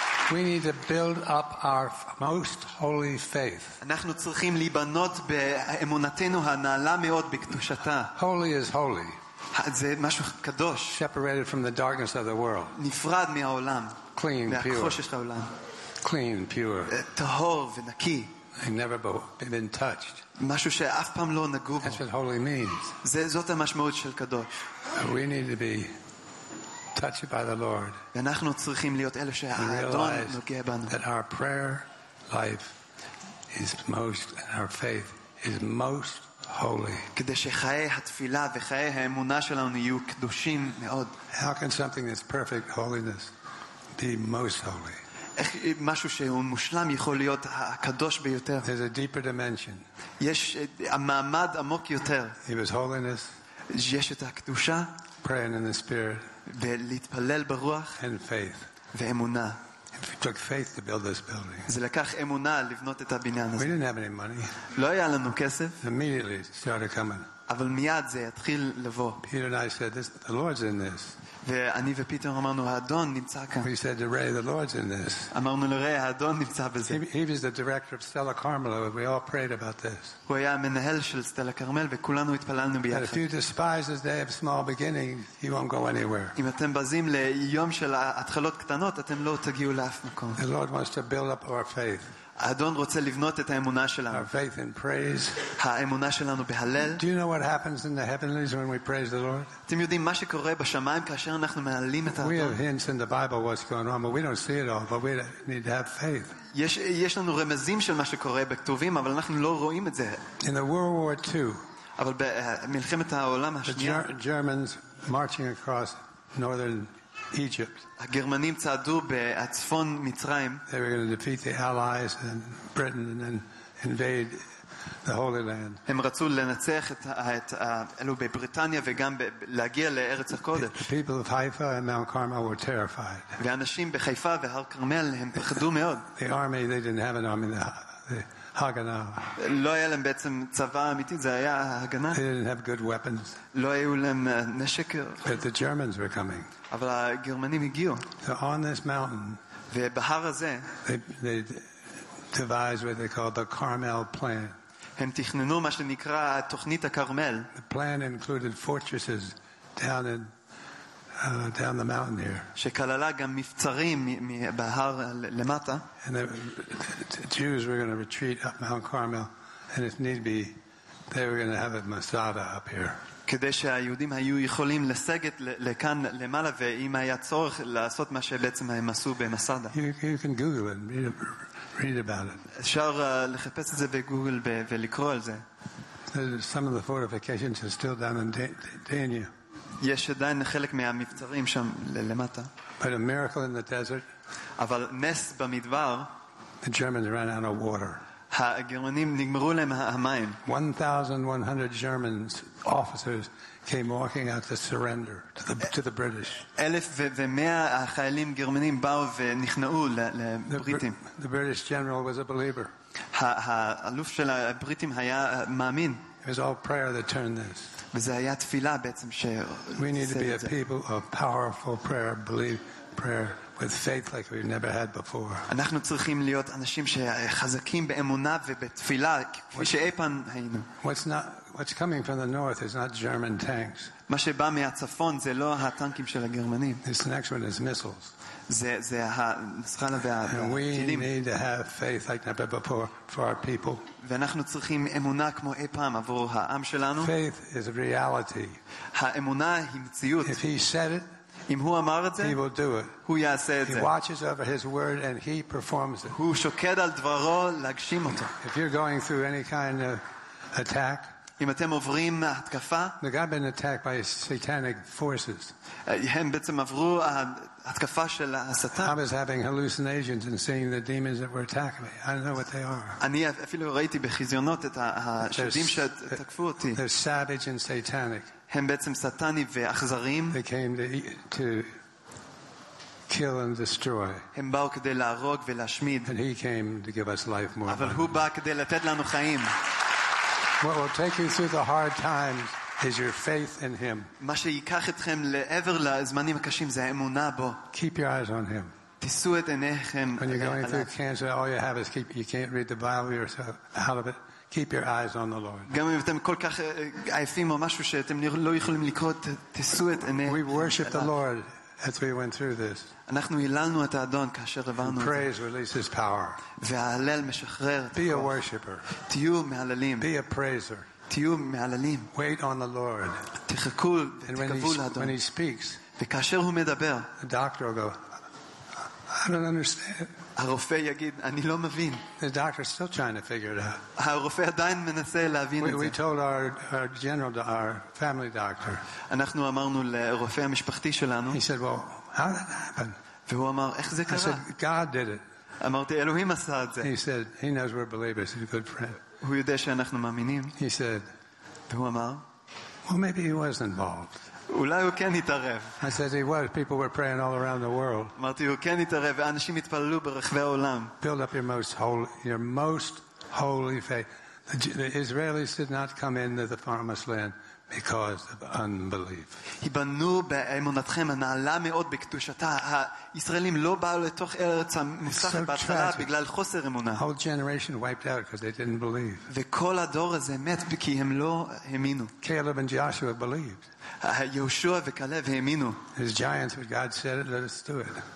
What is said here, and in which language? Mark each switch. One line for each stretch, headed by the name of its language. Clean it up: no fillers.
English: We need to build up our most holy faith.
Hebrew: אנחנו צריכים לבנות באמונתנו הנעלה מאוד בקדושתה.
English: Holy is holy.
Hebrew: זה משהו קדוש.
English: Separated from the darkness of the world.
Hebrew: נפרד מהעולם.
English: Clean, pure.
Hebrew: מהחושך של העולם.
English: Clean, pure.
Hebrew: טהור ונקי.
English: I've never been touched.
Hebrew: משהו שאף פעם לא נגעו בו.
English: That's what holy means.
Hebrew: זאת המשמעות של קדוש.
English: We need to be touched by the Lord.
Hebrew: אנחנו צריכים להיות אלה שהאדון נוגע בנו.
English: That our prayer life is most, and our faith is most holy.
Hebrew: כדי שחיי התפילה וחיי האמונה שלנו יהיו קדושים מאוד.
English: How can something that's perfect holiness be most holy?
Hebrew: איך משהו שהוא מושלם יכול להיות הקדוש ביותר?
English: There's a deeper dimension.
Hebrew: יש מעמד עמוק יותר.
English: It was holiness.
Hebrew: יש את הקדושה.
English: Praying in the spirit.
Hebrew: ולהתפלל ברוח.
English: And faith.
Hebrew: ואמונה.
English: It took faith to build this building.
Hebrew: זה לקח אמונה לבנות את הבניין הזה.
English: We didn't have any money.
Hebrew: לא היה לנו כסף.
English: Immediately started coming.
Hebrew: אבל מיד זה התחיל לבוא.
English: Peter and I said, "The Lord's in this."
Hebrew: ואני ופיטר אמרנו, "האדון נמצא כאן."
English: We said, "Ray, the Lord's in this."
Hebrew: אמרנו לראי, "האדון נמצא בזה."
English: He was the director of Stella Carmel, and we all prayed about this.
Hebrew: הוא היה המנהל של סטלה כרמל, וכולנו התפללנו ביחד.
English: But if you despise this day of small beginning, he won't go anywhere.
Hebrew: אם אתם בזים ליום של התחלות קטנות, אתם לא תגיעו לאף מקום.
English: The Lord wants to build up our faith.
Hebrew: האדון רוצה לבנות את האמונה שלנו.
English: Our faith in praise.
Hebrew: האמונה שלנו בהלל.
English: Do you know what happens in the heavenlies when we praise the Lord?
Hebrew: אתם יודעים מה שקורה בשמיים כאשר אנחנו מעלים את האדון?
English: We have hints in the Bible what's going on, but we don't see it all, but we need to have faith.
Hebrew: יש לנו רמזים של מה שקורה בכתובים, אבל אנחנו לא רואים את זה.
English: In the World War II.
Hebrew: אבל במלחמת העולם השנייה.
English: The Germans marching across northern Egypt.
Hebrew: הגרמנים צעדו בצפון מצרים.
English: They were going to defeat the Allies and Britain and then invade the Holy Land.
Hebrew: הם רצו לנצח את אלו בבריטניה וגם להגיע לארץ הקודש.
English: The people of Haifa and Mount Carmel were terrified.
Hebrew: ואנשים בחיפה והר כרמל הם פחדו מאוד.
English: The army, they didn't have an army. The Haganah.
Hebrew: לא היה להם בעצם צבא אמיתי, זה היה הגנה.
English: They didn't have good weapons.
Hebrew: לא היו להם נשק.
English: But the Germans were coming.
Hebrew: אבל הגרמנים הגיעו.
English: So on this mountain,
Hebrew: ובהר הזה,
English: they devised what they called the Carmel plan.
Hebrew: הם תכננו מה שנקרא תוכנית הכרמל.
English: The plan included fortresses down in down the mountain here.
Hebrew: שכללה גם מבצרים מבהר למטה.
English: And the Jews were going to retreat up Mount Carmel, and if need be, they were going to have a masada up here.
Hebrew: כדי שהיהודים היו יכולים לסגת לכאן למעלה, ואם היה צורך לעשות מה שבעצם הם עשו במסדה.
English: You can Google it, read about it.
Hebrew: אפשר לחפש את זה בגוגל ולקרוא על זה.
English: Some of the fortifications are still down in Dania.
Hebrew: יש עדיין חלק מהמבצרים שם למטה.
English: But a miracle in the desert.
Hebrew: אבל נס במדבר.
English: The Germans ran out of water.
Hebrew: הגרמנים נגמרו להם המים.
English: 1,100 German officers came walking out to surrender to the British.
Hebrew: 1,100 חיילים גרמנים באו ונכנעו לבריטים.
English: The British general was a believer.
Hebrew: האלוף של הבריטים היה מאמין.
English: It was all prayer that turned this.
Hebrew: וזה היה תפילה בעצם ש...
English: We need to be a people of powerful prayer, believe prayer. With faith like we've never had before.
Hebrew: אנחנו צריכים להיות אנשים שחזקים באמונה ובתפילה כפי שאיפן היינו.
English: What's coming from the north is not German tanks.
Hebrew: מה שבא מהצפון זה לא הטנקים של הגרמנים.
English: This next one is missiles.
Hebrew: זה הנסחלה והטילים.
English: We need to have faith like never before for our people.
Hebrew: ואנחנו צריכים אמונה כמו איפן עבור העם שלנו.
English: Faith is a reality.
Hebrew: האמונה היא מציאות.
English: If he said it,
Hebrew: אם הוא אמר את זה,
English: he will do it.
Hebrew: הוא יעשה את זה.
English: He watches over his word and he performs it.
Hebrew: הוא שוקד על דברו להגשים אותו.
English: If you're going through any kind of attack,
Hebrew: אם אתם עוברים התקפה,
English: they've been attacked by satanic forces.
Hebrew: הם בעצם עברו התקפה של השטן.
English: I was having hallucinations and seeing the demons that were attacking me. I don't know what they are.
Hebrew: אני אפילו ראיתי בחזיונות את השדים שתקפו אותי.
English: They're savage and satanic.
Hebrew: הם בעצם סטני ואכזרים.
English: They came to kill and destroy.
Hebrew: הם באו כדי להרוג ולהשמיד.
English: And he came to give us life more.
Hebrew: אבל הוא בא כדי לתת לנו חיים.
English: What will take you through the hard times is your faith in him.
Hebrew: מה שיקח אתכם לעבר לזמנים הקשים זה האמונה בו.
English: Keep your eyes on him.
Hebrew: תשאו את עיניכם עליו.
English: When you're going through cancer, all you have is keep, you can't read the Bible, you're out of it. Keep your eyes on the Lord.
Hebrew: גם אם אתם כל כך עייפים או משהו שאתם לא יכולים לקרוא, תשאו את עיניכם.
English: We worship the Lord as we went through this.
Hebrew: אנחנו היללנו את האדון כאשר עברנו את זה.
English: Praise releases power.
Hebrew: וההלל משחרר.
English: Be a worshipper.
Hebrew: תהיו מהללים.
English: Be a praiser.
Hebrew: תהיו מהללים.
English: Wait on the Lord.
Hebrew: תחכו ותקוו לאדון.
English: When he speaks,
Hebrew: וכאשר הוא מדבר,
English: the doctor will go, I don't understand.
Hebrew: הרופא יגיד אני לא מבין.
English: The doctor still trying to figure it out.
Hebrew: הרופא עדיין מנסה להבין את זה.
English: We told our general, our family doctor.
Hebrew: אנחנו אמרנו לרופא המשפחתי שלנו.
English: He said, "Well, how did that happen?"
Hebrew: והוא אמר איך זה קרה?
English: I said, "God did it."
Hebrew: אמרתי אלוהים עשה את זה.
English: He said, "He knows we're believers. He's a good friend."
Hebrew: הוא יודע שאנחנו מאמינים.
English: He said,
Hebrew: והוא אמר,
English: "Well, maybe he was involved."
Hebrew: אולי הוא כן התערב.
English: I said he was. People were praying all around the world.
Hebrew: אמרתי הוא כן התערב, ואנשים התפללו ברחבי העולם.
English: Build up your most holy faith. The Israelis did not come into the promised land because of unbelief.
Hebrew: היבנו באמונתכם הנעלה מאוד בקדושתה. הישראלים לא באו לתוך ארץ המובטחת בהתחלה בגלל חוסר אמונה.
English: Whole generation wiped out because they didn't believe.
Hebrew: וכל הדור הזה מת כי הם לא האמינו.
English: Caleb and Joshua believed.
Hebrew: יהושע וכלב האמינו.
English: There's giants, but God said it, let us do it.